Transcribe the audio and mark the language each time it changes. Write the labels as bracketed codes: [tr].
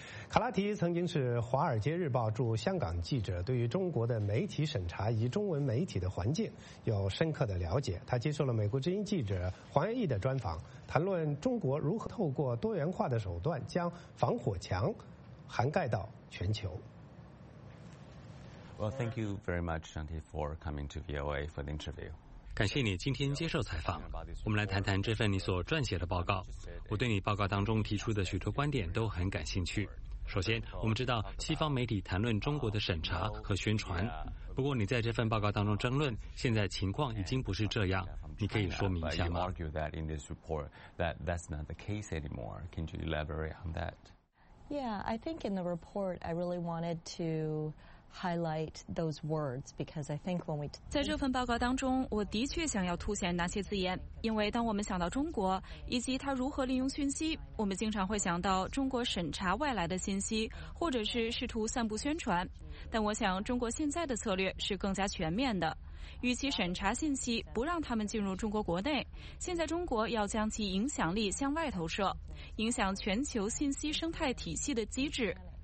[zh] 卡拉迪曾经是《华尔街日报》驻香港记者，对于中国的媒体审查以及中文媒体的环境有深刻的了解。他接受了美国之音记者黄元义的专访，谈论中国如何透过多元化的手段将防火墙涵盖到全球。 [en] Well, thank you very much, Shanti, for coming to VOA for the interview. [zh] 感谢你今天接受采访。我们来谈谈这份你所撰写的报告。我对你报告当中提出的许多观点都很感兴趣。首先，我们知道西方媒体谈论中国的审查和宣传。不过，你在这份报告当中争论，现在情况已经不是这样。你可以说明一下吗？ [en] You argue that in this report that that's not the case anymore. Can you elaborate on that? Yeah, I think in the report, I really wanted to. Highlight those words because I think when we [zh] 在这份报告当中，我的确想要凸显那些字眼，因为当我们想到中国以及它如何利用讯息，我们经常会想到中国审查外来的信息，或者是试图散布宣传。但我想，中国现在的策略是更加全面的。与其审查信息不让他们进入中国国内，现在中国要将其影响力向外投射，影响全球信息生态体系的机制。